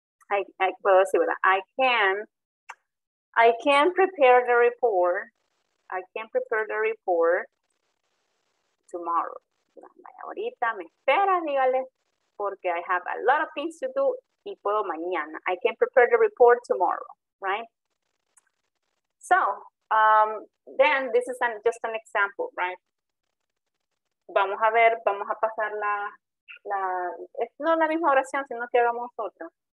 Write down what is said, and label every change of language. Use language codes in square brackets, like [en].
[es] I puedo decir, ¿verdad? [en] I can prepare the report. I can prepare the report tomorrow. [es] Ahorita me espera, dígale, porque [en] I have a lot of things to do [es] y puedo mañana. [en] I can prepare the report tomorrow, right? So, then this is just an example, right? [es] Vamos a ver, vamos a pasar la es no la misma oración, sino que hagamos otra.